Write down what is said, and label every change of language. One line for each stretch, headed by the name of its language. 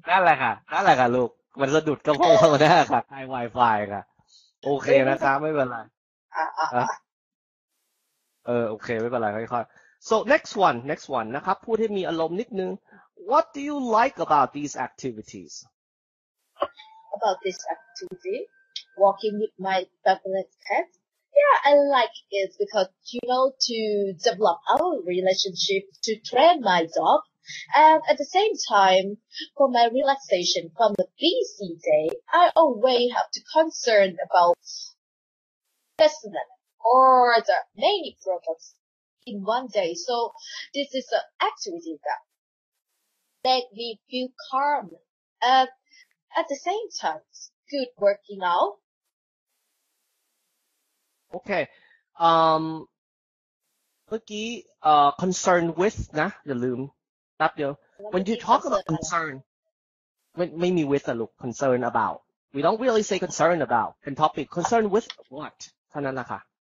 Thai: นั่นแหละค่ะนั่นแหละค่ะลูกมันสะดุดก็เพราะว่านั่นแหละค่ะใกล้ Wi-Fi ค่ะโอเคนะคะไม่เป็นไรโอเคไม่เป็นไรค่อยๆ
English: so next one
Thai: นะครับพูดให้มีอารมณ์นิดนึง
English: what do you like about these activities about this activity walking with my favorite petYeah, I like it because, you know, to develop our relationship, to train my dog. And at the same time, for my relaxation from the busy day, I always have to concern about personal or the many problems in one day. So this is an activity that makes me feel calm. And at the same time, it's good working out.
Thai: โอเคเมื่อกี้concern with นะอย่าลืมนับเดียว
English: when you talk about concern
Thai: ไม่มี with อะลูก concern about
English: we don't really say concern about
Thai: เป็น topic
English: concern with what
Thai: เท่านั้นละค่ะ